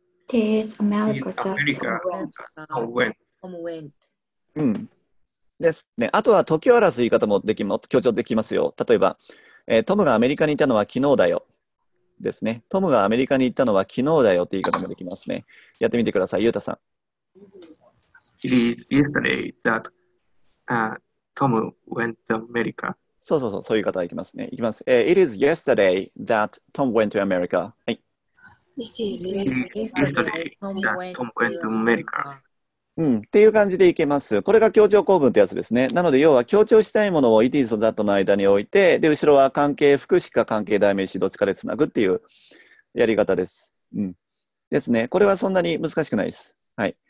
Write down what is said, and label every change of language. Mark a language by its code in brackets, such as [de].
[en] It is America that Tom went. [ja] うんですね、あとは時を表す言い方もできます、強調できますよ。例えば、トムがアメリカに行ったのは昨日だよ。ですね。トムがアメリカに行ったのは昨日だよって言い方もできますね。やってみてください、ゆうたさん。 [en] It is yesterday that Tom went to America. [ja] そうそうそう、そういう方がいきますね。いきます。 [en] It is yesterday that Tom went to America.、 [ja] はい、 [en] It is yesterday that Tom went to America. [ja] うん、っていう感じでいけます。これが強調構文ってやつですね。なので、要は強調したいものを it is と that の間に置いて、で、後ろは関係副詞か関係代名詞どっちかでつなぐっていうやり方です。うん。ですね。これはそんなに難しくないです。はい。